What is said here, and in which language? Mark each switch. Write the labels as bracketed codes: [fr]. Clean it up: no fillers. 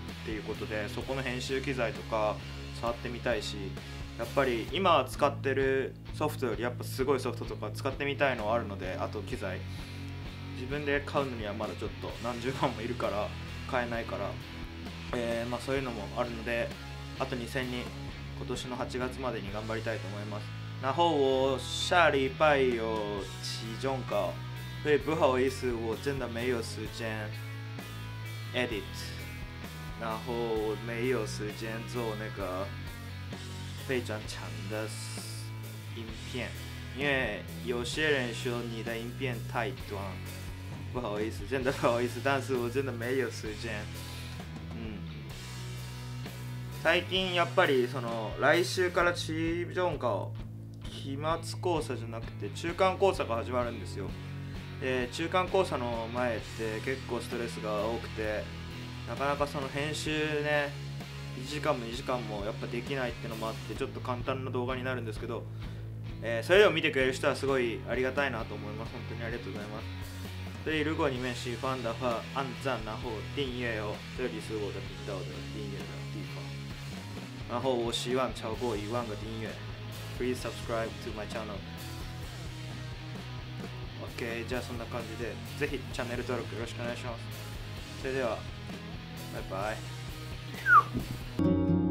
[ja] っていうことで、そこの編集機材とか触ってみたいし、やっぱり今使ってるソフトよりやっぱすごいソフトとか使ってみたいのはあるので、あと機材自分で買うのにはまだちょっと何十万もいるから買えないから、まあそういうのもあるので、あと2000人今年の8月までに頑張りたいと思います。 [zh] 然后我下礼拜有期中考，所以不好意思，我真的没有时间 edit。然后没有时间做那个非常长的影片，因为有些人说你的影片太短，不好意思，真的不好意思，但是我真的没有时间。 [ja] 最近やっぱりその来週から期中考、期末考査じゃなくて中間考査が始まるんですよ。で、中間考査の前って結構ストレスが多くて。なかなかその編集ね、1時間も2時間もやっぱできないってのもあって、ちょっと簡単な動画になるんですけど、それでも見てくれる人はすごいありがたいなと思います。本当にありがとうございます。 [zh] それで如果你们喜欢的话按赞然后订阅哦，这里是我的频道的订阅的地方，然后我希望超过10000个订阅。 [en] Please subscribe to my channel。 [ja] OK、 じゃあそんな感じでぜひチャンネル登録よろしくお願いします。それでは拜拜。